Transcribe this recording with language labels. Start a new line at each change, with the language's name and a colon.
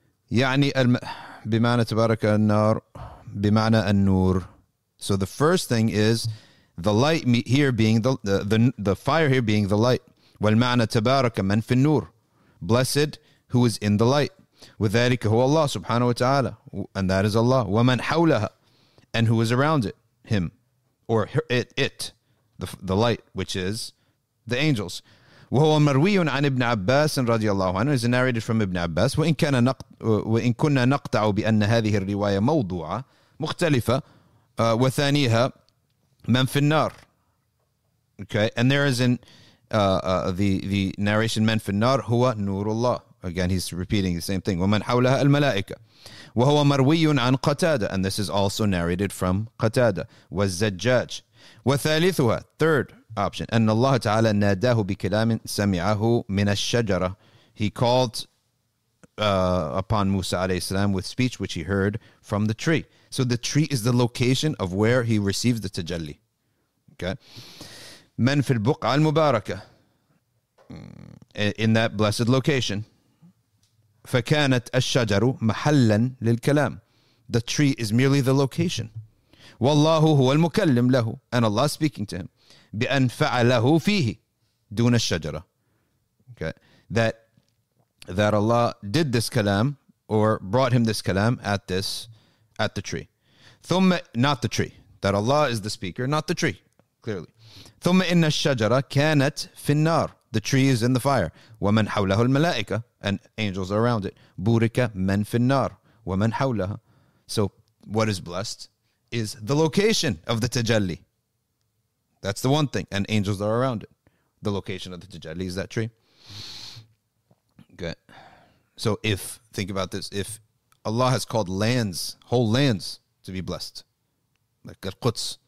Arabic: يعني بمعنى تبارك النار بمعنى النور.
English: So the first thing is the light here being the fire here being the light.
Arabic: والمعنى تبارك من في النور,
English: blessed who is in the light.
Arabic: وذلك هو الله سبحانه وتعالى,
English: and that is Allah.
Arabic: ومن حولها,
English: and who is around it, him or it the light, which is the angels.
Arabic: وهو مروي عن ابن عباس رضي الله عنه,
English: is narrated from Ibn Abbas.
Arabic: وإن كنا نقطع بأن هذه الرواية موضوعة مختلفة وثانيها من في النار.
English: Okay, and there is the narration
Arabic: من في النار هو نور الله.
English: Again, he's repeating the same thing.
Arabic: ومن حولها الملائكة. وهو مروي عن قتادة,
English: and this is also narrated from قتادة.
Arabic: والزجاج. وثالثها,
English: third option,
Arabic: أن الله تعالى ناداه بكلام سمعه من الشجرة.
English: He called upon Musa عليه السلام with speech which he heard from the tree. So the tree is the location of where he received the تجلي. Okay.
Arabic: من في البقعة المباركة,
English: in that blessed location.
Arabic: فكانت الشجر محلا للكلام,
English: the tree is merely the location.
Arabic: والله هو المكلم له,
English: and Allah speaking to him.
Arabic: بأن فعله فيه دون الشجرة. Okay.
English: That Allah did this kalam or brought him this kalam at the tree. ثم, not the tree. That Allah is the speaker, not the tree. Clearly.
Arabic: ثم إن الشجرة كانت في النار.
English: The tree is in the fire.
Arabic: ومن حوله الملائكة,
English: and angels are around it.
Arabic: بورك من في النار ومن حولها.
English: So what is blessed is the location of the تجلي. That's the one thing. And angels are around it. The location of the تجلي is that tree. Okay. So if, think about this, if Allah has called lands, whole lands, to be blessed, like Al-Quds.